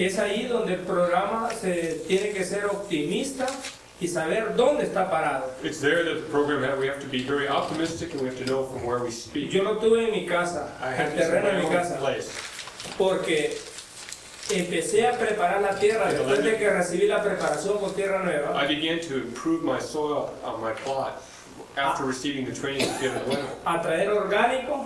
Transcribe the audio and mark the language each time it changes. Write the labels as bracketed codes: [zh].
[es] Es ahí donde el programa se tiene que ser optimista y saber dónde está parado. [en] It's there that the program has, we have to be very optimistic and we have to know from where we speak. [es] Yo lo tuve en mi casa, el terreno en mi casa, [en] place. [es] Porque empecé a preparar la tierra después de que recibí la preparación con tierra nueva. [en] I began to improve my soil on my plot after receiving the training to get it well. [es] A traer orgánico.